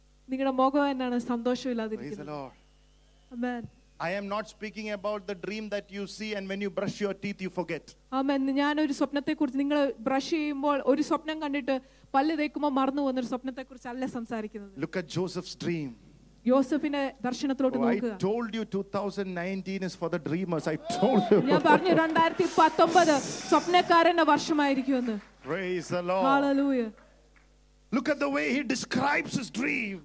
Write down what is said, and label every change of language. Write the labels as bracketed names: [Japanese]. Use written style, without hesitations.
[Malayalam] നിങ്ങളുടെ മുഖം എന്നാണ് സന്തോഷമില്ലാതിരിക്കുന്നത്. [English] Praise the Lord. Amen. I am not speaking about the dream that you see and when you brush your teeth you forget. Amen. [Malayalam] ഞാൻ ഒരു സ്വപ്നത്തെ കുറിച്ച് നിങ്ങൾ ബ്രഷ് ചെയ്യുമ്പോൾ ഒരു സ്വപ്നം കണ്ടിട്ട് പല്ല് തേക്കുമ്പോൾ മറന്നു പോകുന്ന ഒരു സ്വപ്നത്തെ കുറിച്ച് അല്ല സംസാരിക്കുന്നത്. [English] Look at Joseph's dream. [Malayalam] യോസഫിന്റെ ദർശനത്തിലോട്ട് നോക്കുക. [English] I told you 2019 is for the dreamers. I told you. [Malayalam] ഞാൻ പറഞ്ഞു 2019 സ്വപ്നക്കാരന്റെ വർഷമായിരിക്കും എന്ന്. [English] Praise the Lord. Hallelujah. Look at the way he describes his dream.